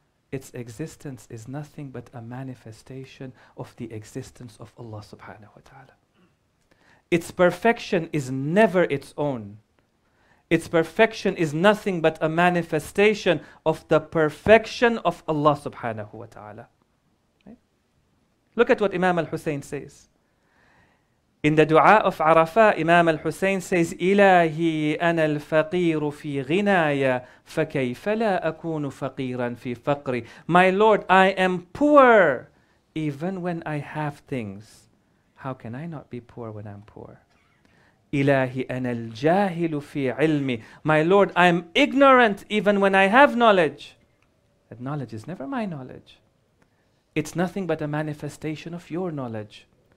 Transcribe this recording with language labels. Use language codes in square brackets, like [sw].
[en] Its existence is nothing but a manifestation of the existence of Allah subhanahu wa ta'ala. Its perfection is never its own. Its perfection is nothing but a manifestation of the perfection of Allah subhanahu wa ta'ala. Right? Look at what Imam al-Hussein says. In the dua of Arafah, Imam al-Hussein says, [ar] إِلَهِ أَنَا الْفَقِيرُ فِي غِنَايَ فَكَيْفَ لَا أَكُونُ فَقِيرًا فِي فَقْرِ. [en] My Lord, I am poor even when I have things. How can I not be poor when I'm poor? [ar] إِلَهِ أَنَا الْجَاهِلُ فِي عِلْمِ. [en] My Lord, I'm ignorant even when I have knowledge. That knowledge is never my knowledge. It's nothing but a manifestation of your knowledge.